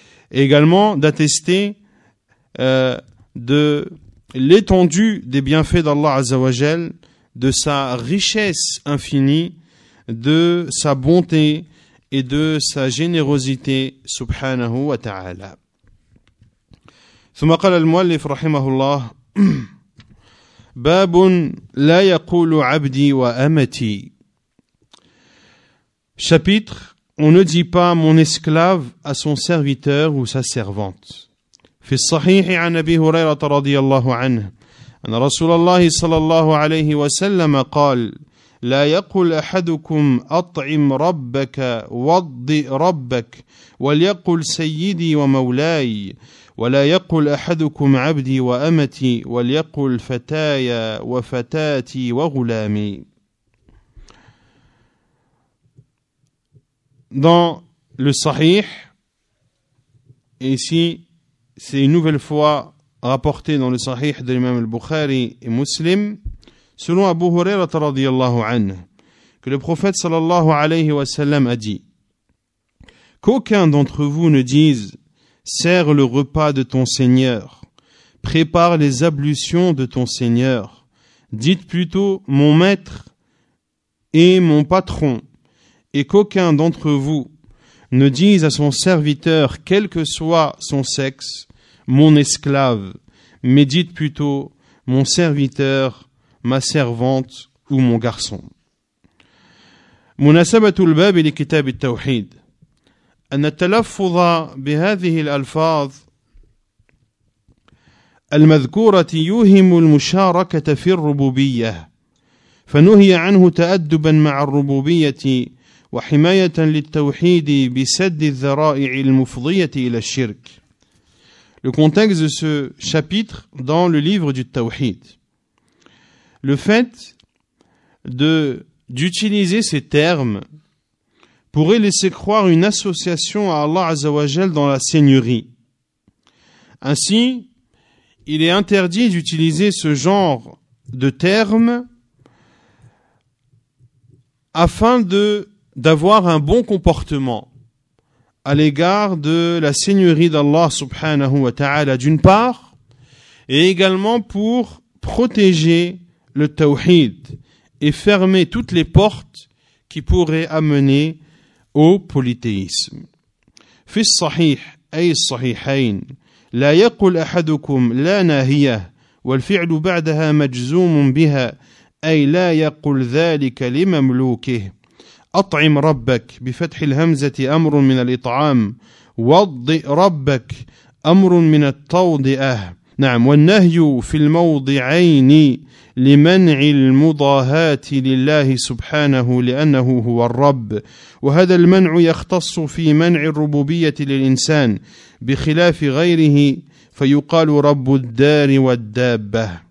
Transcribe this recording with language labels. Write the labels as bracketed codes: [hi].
[fr] Et également d'attester de l'étendue des bienfaits d'Allah Azza wa Jal, de sa richesse infinie, de sa bonté et de sa générosité subhanahu wa ta'ala. [ar] ثم قال المؤلف رحمه الله باب لا يقول عبدي وأمتي. [fr] Chapitre, on ne dit pas mon esclave à son serviteur ou sa servante. [ar] في الصحيح عن أبي هريرة رضي الله عنه أن رسول الله صلى الله عليه وسلم قال لا يقل أحدكم أطعم ربك وضئ ربك وليقل سيدي ومولاي ولا يقل أحدكم عبدي وأمتي وليقل فتاي وفتاتي وغلامي. [fr] Dans le Sahih, ici c'est une nouvelle fois rapporté dans le Sahih de l'imam al-Bukhari et Muslim, selon Abu Huraira radiyallahu anhu, que le prophète sallallahu alayhi wa sallam a dit qu'aucun d'entre vous ne dise « Sers le repas de ton Seigneur, prépare les ablutions de ton Seigneur, dites plutôt « Mon maître et mon patron » et qu'aucun d'entre vous ne dise à son serviteur, quel que soit son sexe, « Mon esclave » mais dites plutôt « mon serviteur, ma servante ou mon garçon. [ar] مناسبة الباب لكتاب التوحيد أن التلفظ بهذه الألفاظ المذكورة يوهم المشاركة في الربوبية فنهي عنه تأدبا مع الربوبية وحماية للتوحيد بسد الذرائع المفضية إلى الشرك. [fr] Le contexte de ce chapitre dans le livre du Tawhid. Le fait d'utiliser ces termes pourrait laisser croire une association à Allah Azzawajal dans la seigneurie. Ainsi, il est interdit d'utiliser ce genre de termes afin d'avoir un bon comportement à l'égard de la seigneurie d'Allah subhanahu wa ta'ala d'une part, et également pour protéger le tawhid et fermer toutes les portes qui pourraient amener au polythéisme. [ar] في الصحيح أي الصحيحين لا يقول أحدكم لا ناهية والفعل بعدها مجزوم بها أي لا يقول ذلك لمملوكه أطعم ربك بفتح الهمزة أمر من الإطعام وضئ ربك أمر من التوضئة نعم والنهي في الموضعين لمنع المضاهات لله سبحانه لأنه هو الرب وهذا المنع يختص في منع الربوبية للإنسان بخلاف غيره فيقال رب الدار والدابة